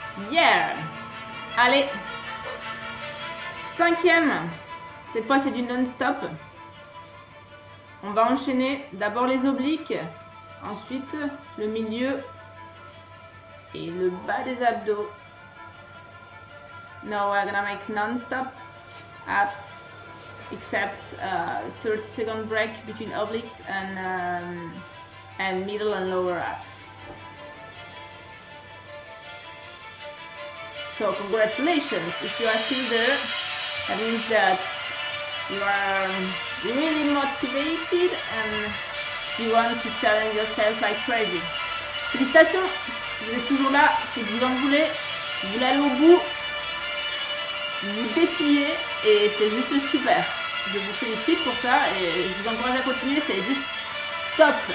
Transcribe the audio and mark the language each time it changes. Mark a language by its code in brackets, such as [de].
[fr] Yeah! Allez! Cinquième! Cette fois, c'est du non-stop. On va enchaîner d'abord les obliques, ensuite le milieu et le bas des abdos. [en] Now we're gonna make non-stop abs, except 30 second break between obliques and middle and lower abs. So congratulations, if you are still there, that means that you are really motivated and you want to challenge yourself like crazy. [fr] Félicitations, si vous êtes toujours là, si vous en voulez, vous l'allez au bout, vous défiez et c'est juste super. Je vous félicite pour ça et je vous encourage à continuer, c'est juste top.